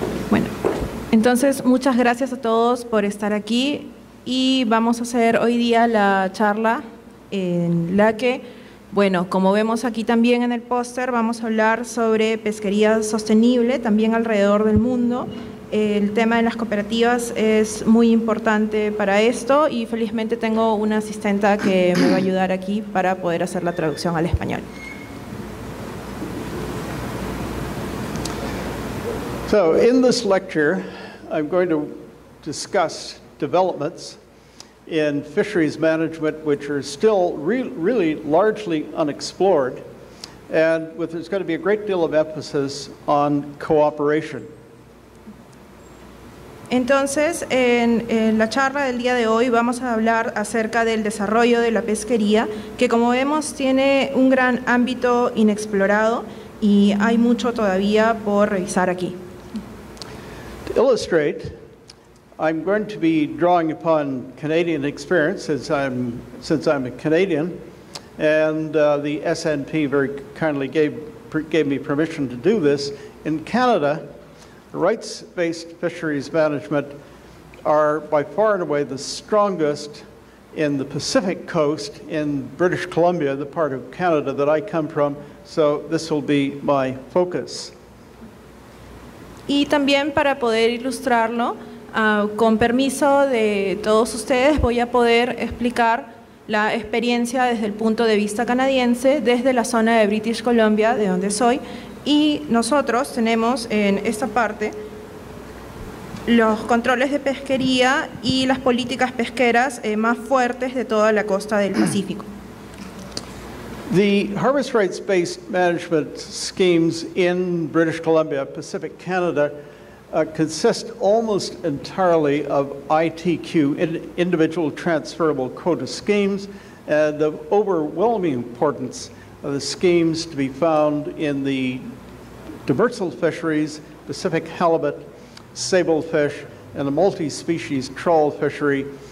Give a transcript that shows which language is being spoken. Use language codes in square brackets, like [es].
[es] Bueno, entonces muchas gracias a todos por estar aquí y vamos a hacer hoy día la charla en la que, bueno, como vemos aquí también en el póster, vamos a hablar sobre pesquería sostenible también alrededor del mundo. El tema de las cooperativas es muy importante para esto y felizmente tengo una asistenta que me va a ayudar aquí para poder hacer la traducción al español. [en] So in this lecture, I'm going to discuss developments in fisheries management, which are still really largely unexplored, and with there's going to be a great deal of emphasis on cooperation. [es] Entonces, en la charla del día de hoy vamos a hablar acerca del desarrollo de la pesquería, que como vemos tiene un gran ámbito inexplorado y hay mucho todavía por revisar aquí. [en] To illustrate, I'm going to be drawing upon Canadian experience since I'm a Canadian, and the SNP very kindly gave me permission to do this. In Canada, rights-based fisheries management are by far and away the strongest in the Pacific coast in British Columbia, the part of Canada that I come from, so this will be my focus. [es] Y también para poder ilustrarlo, con permiso de todos ustedes, voy a poder explicar la experiencia desde el punto de vista canadiense, desde la zona de British Columbia, de donde soy, y nosotros tenemos en esta parte los controles de pesquería y las políticas pesqueras más fuertes de toda la costa del Pacífico. [en] The harvest rights-based management schemes in British Columbia, Pacific Canada, consist almost entirely of ITQ, individual transferable quota schemes, and the overwhelming importance of the schemes to be found in the demersal fisheries, Pacific halibut, sablefish, and the multi-species trawl fishery.